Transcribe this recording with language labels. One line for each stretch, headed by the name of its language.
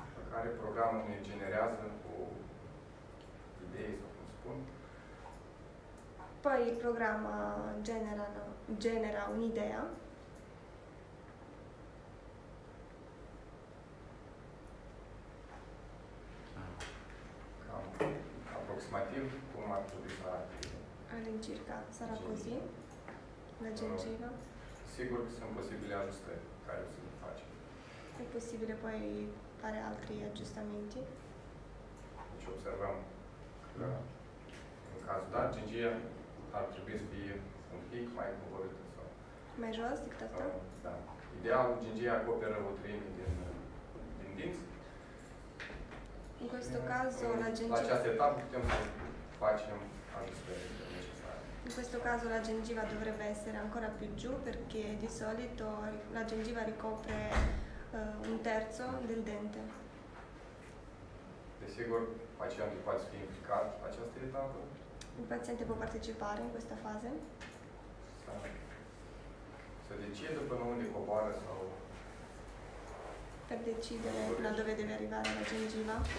Romanian: Care programul ne generează o idee, sau cum spun.
Italian: Poi il programma genera un'idea.
Romanian: Cam aproximativ, cum ar trebui să arate?
Italian: All'incirca, sarà così, la gengiva.
Romanian: Sigur că sunt posibile ajustări care o să le facem.
Italian: E posibile poi fare altri aggiustamenti.
Romanian: Deci observăm că în cazul dat gingia ar trebui să fie un pic mai coborâtă sau... Mai jos decât asta? Da. Ideal, gingia acoperă o treime din dinți.
Italian: În questo caso, la gingiva...
Romanian: La această etapă putem să facem ajustările necesare.
Italian: In questo caso la gengiva dovrebbe essere ancora più giù perché di solito la gengiva ricopre un terzo del dente.
Romanian: Desigur, pacientul poate fi implicat în această etapă.
Italian: Il paziente può partecipare in questa fase.
Romanian: Să decide până unde coboară sau...
Italian: Per decidere la dove deve arrivare la gengiva.